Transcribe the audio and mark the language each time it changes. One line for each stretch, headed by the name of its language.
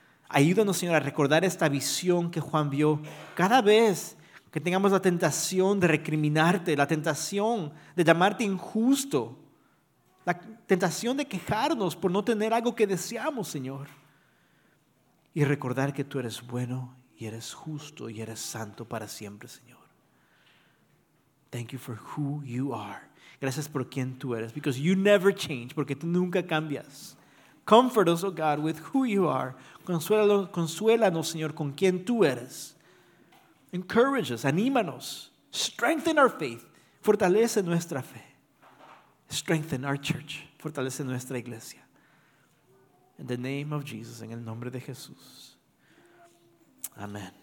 Spanish: Ayúdanos, Señor, a recordar esta visión que Juan vio cada vez que tengamos la tentación de recriminarte, la tentación de llamarte injusto, la tentación de quejarnos por no tener algo que deseamos, Señor. Y recordar que tú eres bueno y eres justo y eres santo para siempre, Señor.
English: Thank you for who you are.
Spanish: Gracias por quien tú eres.
English: Because you never change,
Spanish: porque tú nunca cambias.
English: Comfort us, oh God, with who you are.
Spanish: Consuélanos, Señor, con quien tú eres.
English: Encourage us,
Spanish: anímanos.
English: Strengthen our faith.
Spanish: Fortalece nuestra fe.
English: Strengthen our church.
Spanish: Fortalece nuestra iglesia.
English: In the name of Jesus,
Spanish: en el nombre de Jesús. Amén.